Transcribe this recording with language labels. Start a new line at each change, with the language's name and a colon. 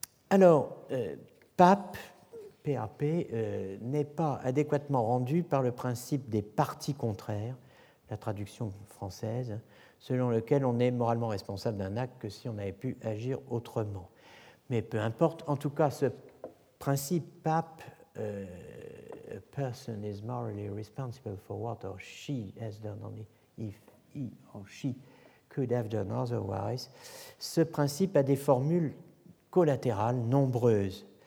French: Alors, pape, PAP, n'est pas adéquatement rendu par le principe des parties contraires, la traduction française, selon lequel on est moralement responsable d'un acte que si on avait pu agir autrement. Mais peu importe, en tout cas, ce principe pape,
English: a person is morally responsible for what or she has done only if he or she could have done otherwise.
French: Ce principe a des formules collatérales nombreuses.